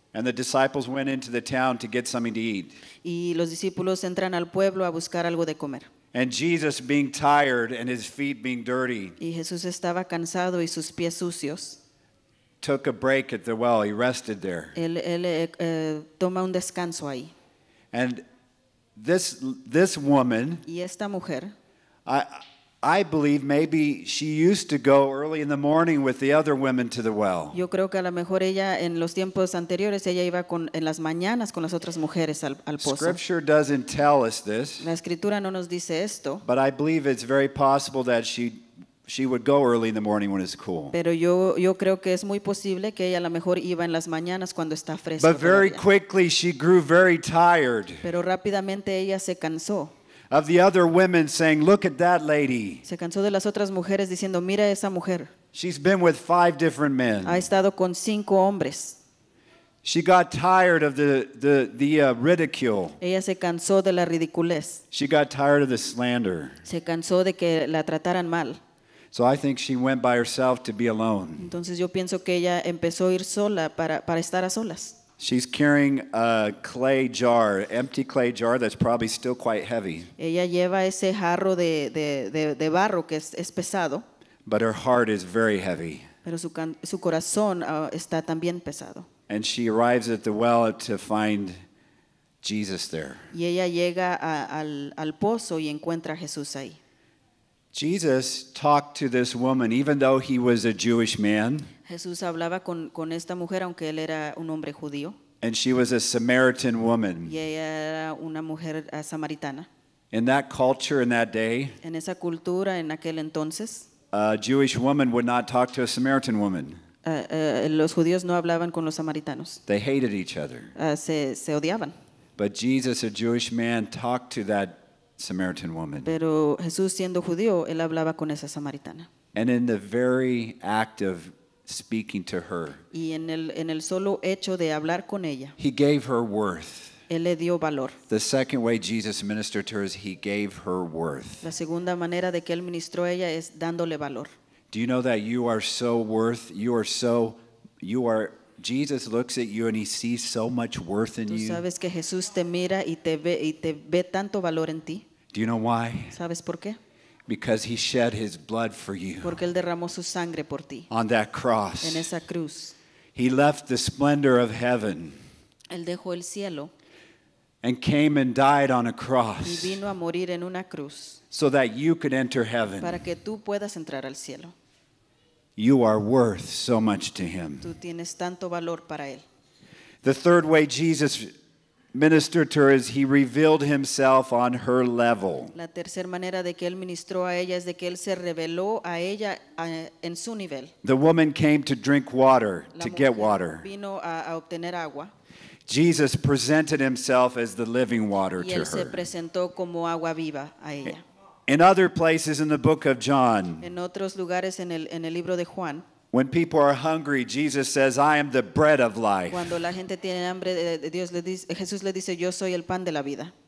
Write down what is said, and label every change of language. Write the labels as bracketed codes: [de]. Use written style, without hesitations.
[en] And the disciples went into the town to get something to eat. [es] Y los discípulos entran al pueblo a buscar algo de comer. [en] And Jesus being tired and his feet being dirty. [es] Y Jesús estaba cansado y sus pies sucios. [en] took a break at the well. He rested there. [es] Toma un descanso ahí. [en] And this woman, [es] y esta mujer, [en] I believe maybe she used to go early in the morning with the other women to the well. [es] Yo creo que a lo mejor ella en los tiempos anteriores ella iba con en las mañanas con las otras mujeres al pozo. [en] Scripture doesn't tell us this. [es] La escritura no nos dice esto. [en] But I believe it's very possible that she would go early in the morning when it's cool. [es] Pero yo creo que es muy posible que ella a lo mejor iba en las mañanas cuando está fresco. [en] But very quickly she grew very tired. [es] Pero rápidamente ella se cansó. [en] Of the other women saying, "Look at that lady." [es] Se cansó de las otras mujeres diciendo, "Mira esa mujer." [en] She's been with 5 different men. [es] Ha estado con 5 hombres. [en] She got tired of the ridicule. [es] Ella se cansó de la ridiculez. [en] She got tired of the slander. [es] Se cansó de que la trataran mal. [en] So I think she went by herself to be alone. [es] Entonces yo pienso que ella empezó a ir sola para estar a solas. [en] She's carrying a clay jar, empty clay jar that's probably still quite heavy. [es] Ella lleva ese jarro de barro que es pesado. [en] But her heart is very heavy. [es] Pero su corazón está también pesado. [en] And she arrives at the well to find Jesus there. [es] Y ella llega al pozo y encuentra a Jesús ahí. [en] Jesus talked to this woman, even though he was a Jewish man. [es] Jesús hablaba con esta mujer aunque él era un hombre judío. [en] And she was a Samaritan woman. [es] Y ella era una mujer samaritana. [en] In that culture, in that day, [es] en esa cultura, en aquel entonces, [en] a Jewish woman would not talk to a Samaritan woman. [es] Los judíos no hablaban con los samaritanos. [en] They hated each other. [es] Se odiaban. [en] But Jesus, a Jewish man, talked to that Samaritan woman. [es] Pero Jesús, siendo judío, él hablaba con esa samaritana. [en] And in the very act of speaking to her, [es] y en el solo hecho de hablar con ella, [en] he gave her worth. [es] Él le dio valor. [en] The second way Jesus ministered to her is he gave her worth. [es] La segunda manera de que él ministró a ella es dándole valor. [en] Do you know that you are so worth? You are. Jesus looks at you and he sees so much worth in you. [es] ¿Tú sabes que Jesús te mira y te ve tanto valor en ti? [en] Do you know why? [es] ¿Sabes por qué? [en] Because he shed his blood for you. [es] Porque él derramó su sangre por ti. [en] On that cross. [es] En esa cruz. [en] He left the splendor of heaven. [es] Él dejó el cielo. [en] And came and died on a cross. [es] Y vino a morir en una cruz. [en] So that you could enter heaven. [es] Para que tú puedas entrar al cielo. [en] You are worth so much to him. [es] Tú tienes tanto valor para él. [en] The third way Jesus ministered to her is he revealed himself on her level. [es] La tercera manera de que él ministró a ella es de que él se reveló a ella en su nivel. [en] The woman came to drink water, to get water. [es] Vino a obtener agua. [en] Jesus presented himself as the living water to her. [es] Y él se presentó como agua viva a ella. [en] In other places in the book of John, [es] en otros lugares en el libro de Juan, [en] when people are hungry, Jesus says, "I am the bread of life." [es] Cuando la gente tiene hambre, Dios le dice, Jesús le dice, "Yo soy el pan de la vida."